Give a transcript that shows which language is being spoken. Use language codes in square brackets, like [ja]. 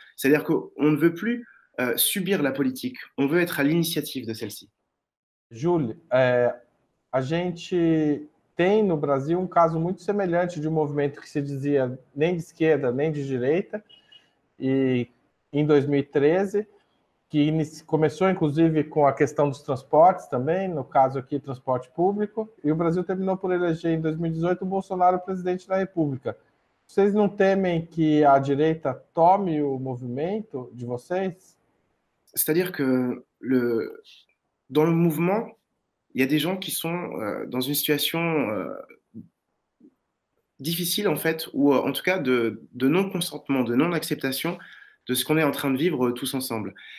[fr] C'est-à-dire qu'on ne veut plus subir la politique. On veut être à l'initiative de celle-ci. [pt] Júlio, a gente tem no Brasil um caso muito semelhante de um movimento que se dizia nem de esquerda nem de direita, e em 2013, que começou inclusive com a questão dos transportes também, no caso aqui, transporte público, e o Brasil terminou por eleger em 2018 o Bolsonaro presidente da República. Vocês não temem que a direita tome o movimento de vocês? [fr] C'est-à-dire que dans le mouvement, il y a des gens qui sont dans une situation difficile, en fait, ou en tout cas de non-consentement, de non-acceptation de ce qu'on est en train de vivre tous ensemble.